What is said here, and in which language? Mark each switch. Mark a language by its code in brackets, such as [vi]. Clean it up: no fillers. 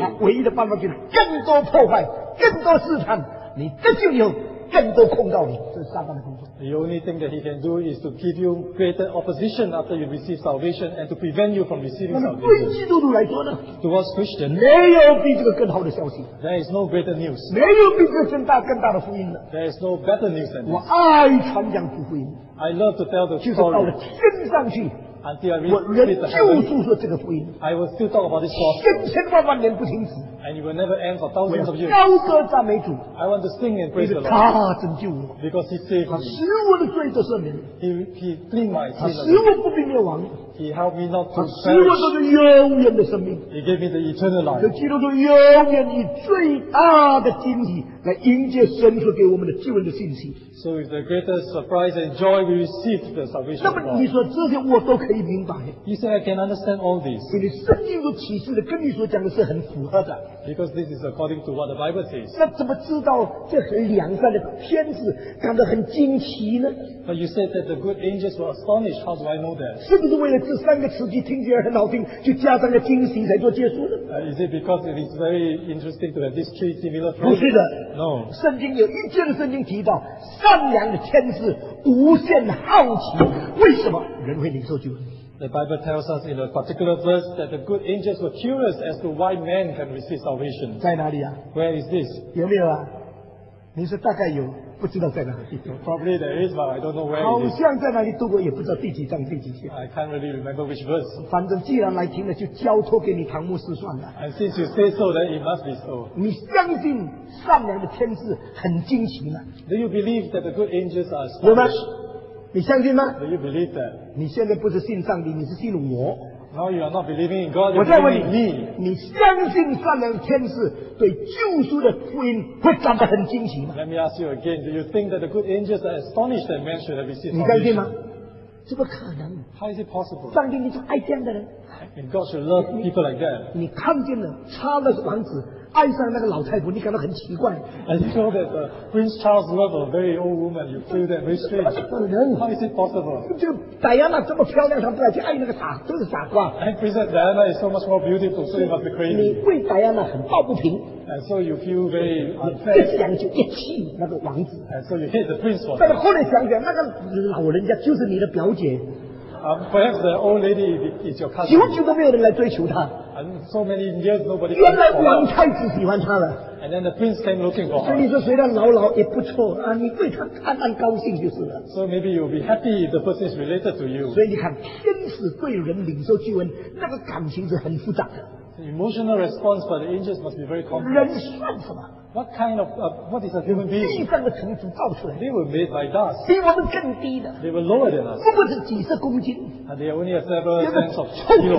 [zh] 他唯一的办法就是更多破坏，更多试探。你得救以后，更多控告你，这是撒旦的工作。 [en] The only thing that He can do is to give you greater opposition after you receive salvation and to prevent you from receiving salvation. [zh] 那么对基督徒来说呢？ [en] To us Christians， [zh] 没有比这个更好的消息。 [en] There is no greater news。 [zh] 没有比这个更大的福音了。 [en] There is no better news than this。 [zh] 我爱传讲福音。 [en] I love to tell the story。 [zh] 就是到了天上去。 [en] Until I read the heaven, I will still talk about this gospel. And it will never end for thousands of years. I want to sing and praise the Lord. Because He saved me. He cleaned my sin. He helped me not to perish. He gave me the eternal life. [zh] 基督徒永远以最大的惊喜来迎接神所给我们的救恩的信息。 [en] So with the greatest surprise and joy we receive the salvation of God. [zh] 那么你说这些我都可以明白。 [en] You say I can understand all this. [zh] 因为圣经所启示的跟你所讲的是很符合的。 [en] Because this is according to what the Bible says. [zh] 那怎么知道这很良善的天使感到很惊奇呢？ [en] But you said that the good angels were astonished. How do I know that? [zh] 是不是为了这三个词句听起来很好听，就加上个惊喜才做结束呢？ [en] Is it because it is very interesting to have these three similar phrases? [zh] 不是的。 [en] No. [zh] 圣经有一节的圣经提到善良的天使无限好奇为什么人会领受救恩。 [en] The Bible tells us in a particular verse that the good angels were curious as to why men can receive salvation. [zh] 在哪里啊？ [en] Where is this? [zh] 有没有啊？你说大概有，不知道在哪里。 [en] Probably there is, but I don't know where it is. [zh] 好像在哪里读过，也不知道第几章第几节。 [en] I can't really remember which verse. [zh] 反正既然来听了，就交托给你唐牧师算了。 [en] And since you say so, then it must be so. [zh] 你相信善良的天使很惊奇吗？ [en] Do you believe that the good angels are astonished? [zh] 你相信吗？ [en] Do you believe that? [zh] 你现在不是信上帝，你是信我。 [en] Now you are not believing in God. [zh] 我在问你，你相信善良的天使对救赎的福音会感到很惊奇吗？ [en] Let me ask you again. Do you think that the good angels are astonished that men should have received salvation? [zh] 你相信吗？这不可能。 [en] How is it possible? [zh] 上帝你就爱这样的人。 [en] And God should love people like that. [zh] 你看见了查尔斯王子爱上那个老太婆，你感到很奇怪。 [en] And you know that Prince Charles loved a very old woman. You feel that very strange. [zh] 不可能。 [en] How is it possible? [zh] 就戴安娜这么漂亮，他不来去爱那个傻，真是傻瓜。 [en] And Princess Diana is so much more beautiful, so you must be crazy. [zh] 你为戴安娜很抱不平。 [en] And so you feel very unfair. [zh] 一想就一气那个王子。 [en] And so you hate the prince for. [zh] 但是后来想想，那个老人家就是你的表姐。 [en] Perhaps the old lady is your cousin. [zh] 久久都没有人来追求她。 [en] And so many years nobody. [zh] 原来王太子喜欢她了。 [en] And then the prince came looking for her. [zh] 所以你说虽然老老也不错啊，你对她暗暗高兴就是了。 [en] So maybe you'll be happy if the person is related to you. [zh] 所以你看，天使对人领受救恩，那个感情是很复杂的。 [en] The emotional response for the angels must be very complex. [zh] 人算什么？ [en] What kind of, what is a human being? [zh] 地上的尘土造出来。 [en] They were made by dust. [zh] 比我们更低的。 [en] They were lower than us. [zh] 不过是几十公斤。 [en] And they only have several tens of kilos.